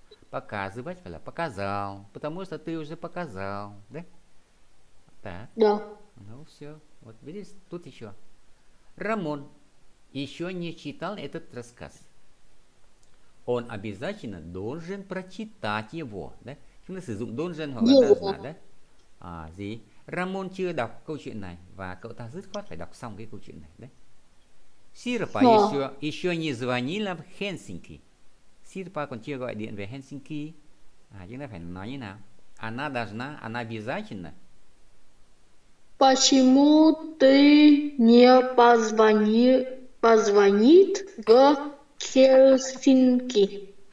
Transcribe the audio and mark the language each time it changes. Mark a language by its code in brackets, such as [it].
[ru] показывать, показывать, показал, потому что ты уже показал, да? Так, Да. ну все, вот видишь, тут еще. Рамон еще не читал этот рассказ. Он обязательно должен прочитать его, да? Должен, надо знать, да? А, gì? [vi] Рамон chưa đọc câu chuyện này và cậu ta dứt khoát phải đọc xong cái câu chuyện này đấy. [ru] Sirpa еще не звонила в Хельсинки. [vi] Sirpa còn chưa gọi điện về Helsinki. À, chúng ta phải nói như nào? [ru] Она должна, она обязательно. Почему ты не позвонит в Хельсинки?